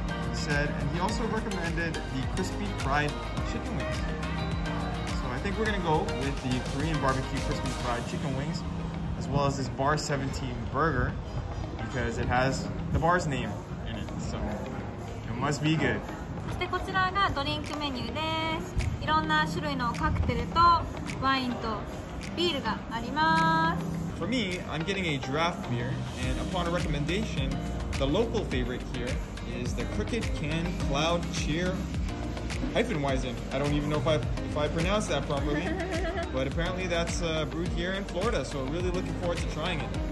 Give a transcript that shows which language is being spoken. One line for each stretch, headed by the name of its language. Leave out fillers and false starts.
English: He said, and he also recommended the crispy fried chicken wings. I think we're gonna go with the Korean barbecue crispy fried chicken wings as well as this Bar 17 burger because it has the bar's name in it, so it must be good.
Japanese: そしてこちらがドリンクメニューです。いろんな種類のカクテルとワインとビールがあります。
English: For me, I'm getting a draft beer, and upon a recommendation, the local favorite here is the Crooked Can Cloud Cheer Hyphenweizen. I don't even know if I pronounced that properly, but apparently that's brewed here in Florida, so really looking forward to trying it.